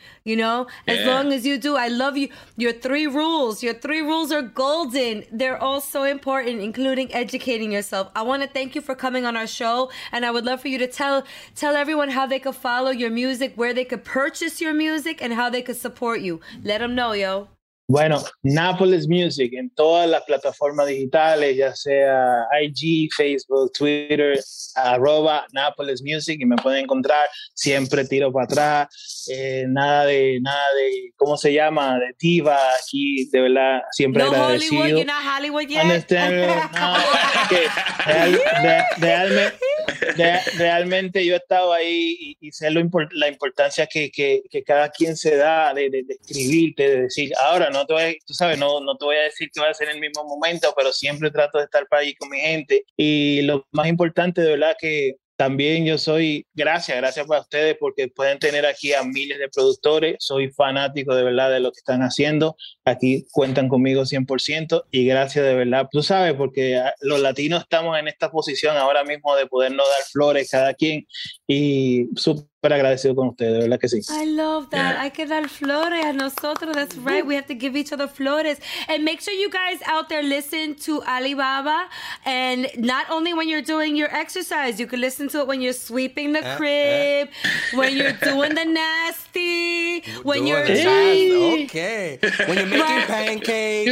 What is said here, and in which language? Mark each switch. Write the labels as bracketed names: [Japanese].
[English] You know, as long as you do, I love you. Your three rules are golden. They're all so important, including educating yourself. I want to thank you for coming on our show. And I would love for you to tell everyone how they could follow your music, where they could purchase your music, and how they could support you. Let them know, yo. [Spanish] Bueno, Napoles Music, en todas las plataformas digitales, ya sea IG, Facebook, Twitter, @ Napoles Music, y me pueden encontrar, siempre tiro para atrás, nada de, ¿cómo se llama? De diva, aquí, de verdad, siempre no agradecido. [English] No Hollywood, you're not Hollywood yet. Understand, [Spanish] no, que realmente yo he estado ahí y sé la importancia que cada quien se da de escribirte, de decir, ahora, no te voy a, tú sabes, no te voy a decir que va a ser en el mismo momento, pero siempre trato de estar para allí con mi gente. Y lo más importante, de verdad, que también yo soy, gracias para ustedes, porque pueden tener aquí a miles de productores. Soy fanático, de verdad, de lo que están haciendo. Aquí cuentan conmigo 100%. Y gracias, de verdad, tú sabes, porque los latinos estamos en esta posición ahora mismo de podernos dar flores cada quien. Y súper agradecido con ustedes, de verdad que sí. [English] I love that. [Spanish] Hay que dar flores a nosotros. [English] That's right. We have to give each other flores. And make sure you guys out there listen to Alibaba. And not only when you're doing your exercise, you can listen to it when you're sweeping the crib, when you're doing the nasty, when you're doing the nasty. Okay. When you're making pancakes.